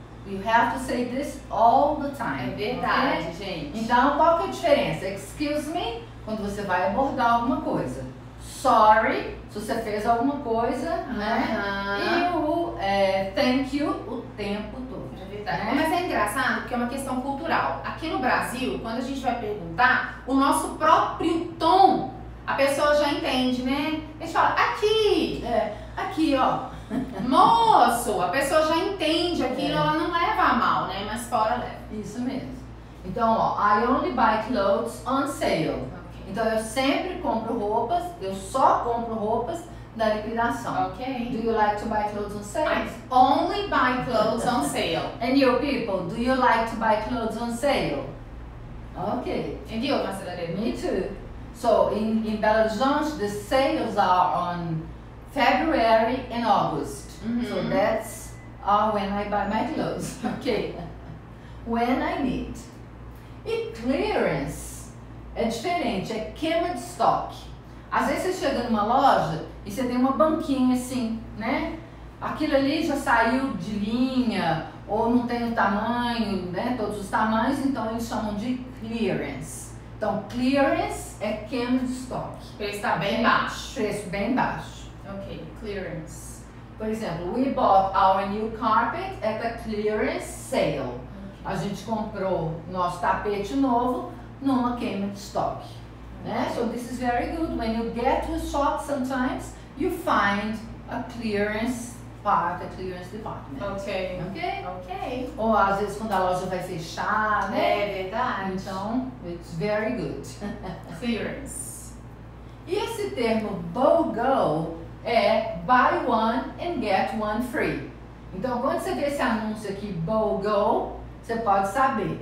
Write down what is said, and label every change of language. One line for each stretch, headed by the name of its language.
English: You have to say this all the time.
Portuguese: É verdade, okay? Gente. Então, qual que é a diferença?
English: Excuse me,
Portuguese: quando você vai abordar alguma coisa.
English: Sorry,
Portuguese: se você fez alguma coisa, uh-huh. Né? E o
English: thank you
Portuguese: o tempo todo. É verdade. Né? Mas é engraçado porque é uma questão cultural. Aqui no Brasil, quando a gente vai perguntar, o nosso próprio tom, a pessoa já entende, né? A gente fala, aqui! É, aqui, ó. Moço, a pessoa já entende aquilo, ela não leva a mal, né? Mas fora leva. Isso mesmo. Então, ó,
English: I only buy clothes on sale. Okay.
Portuguese: Então, eu sempre compro roupas, eu só compro roupas da liquidação.
English: Ok. Do you like to buy clothes on sale? I only buy clothes on sale. And you people, do you like to buy clothes on sale? Ok. And you, Marcela? Me too. So, in Belo Horizonte, the sales are on February and August. Mm-hmm. So that's when I buy my clothes. Okay. When I need.
Portuguese: E clearance é diferente, é queima de estoque. Às vezes você chega numa loja e você tem uma banquinha assim, né? Aquilo ali já saiu de linha ou não tem o tamanho, né? Todos os tamanhos, então eles chamam de clearance. Então clearance é queima de estoque. Preço está bem baixo. Preço bem baixo.
English: Ok, clearance.
Portuguese: Por exemplo,
English: we bought our new carpet at a clearance sale. Okay.
Portuguese: A gente comprou nosso tapete novo numa queima de estoque. Okay. Né?
English: So this is very good. When you get to a shop sometimes, you find a clearance part at the US Department. Okay.
Portuguese: Ou às vezes quando a loja vai fechar, né? É verdade. Então,
English: it's very good. Clearance.
Portuguese: E esse termo BOGO é
English: buy one and get one free.
Portuguese: Então, quando você vê esse anúncio aqui, BOGO, você pode saber.